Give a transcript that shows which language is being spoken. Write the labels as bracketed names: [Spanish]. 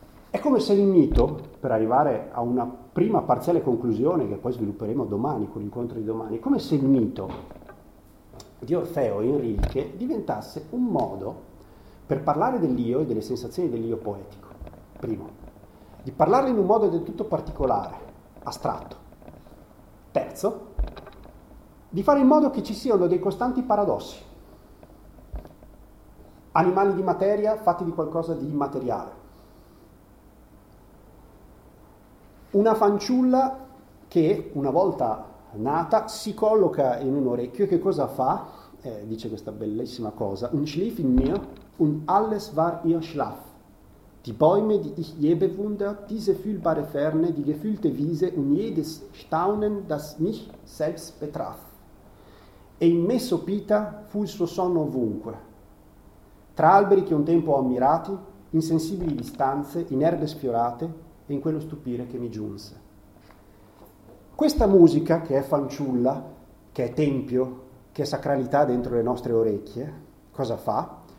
[Italian] È come se il mito, per arrivare a una prima parziale conclusione che poi svilupperemo domani, con l'incontro di domani, come se il mito di Orfeo e Rilke diventasse un modo per parlare dell'io e delle sensazioni dell'io poetico, primo, di parlarlo in un modo del tutto particolare, astratto, terzo, di fare in modo che ci siano dei costanti paradossi, animali di materia fatti di qualcosa di immateriale. Una fanciulla che, una volta nata, si colloca in un orecchio e che cosa fa? Dice questa bellissima cosa. [German] Un schlief in mir, un alles war ihr schlaf. Die Bäume, die ich je bewundert, diese fühlbare Ferne, die gefühlte Wiese und jedes Staunen, das mich selbst betraf. [Italian] E in me sopita fu il suo sonno ovunque. Tra alberi che un tempo ho ammirati, insensibili distanze, in erbe sfiorate, e in quello stupire che mi giunse. Questa musica, che è fanciulla, che è tempio, che è sacralità dentro le nostre orecchie, cosa fa?